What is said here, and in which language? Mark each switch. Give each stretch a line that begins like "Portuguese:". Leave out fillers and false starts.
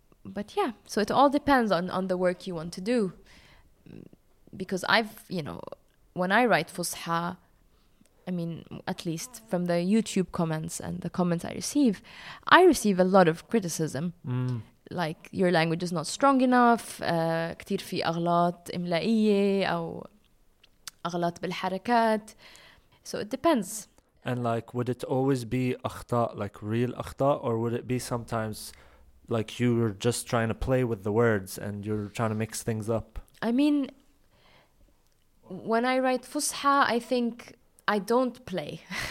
English: But yeah, so it all depends on the work you want to do. Because when I write Fusha, I mean, at least from the YouTube comments and the comments I receive a lot of criticism. Mm. Like, your language is not strong enough.
Arabic: كتير في أغلاط إملائية أو أغلاط بالحركات.
English: So it depends. And like, would it always be أخطاء, like real أخطاء? Or would it be sometimes like you were just trying to play with the words and you're trying to mix things up? I mean, when I write Fusha, I think I don't play.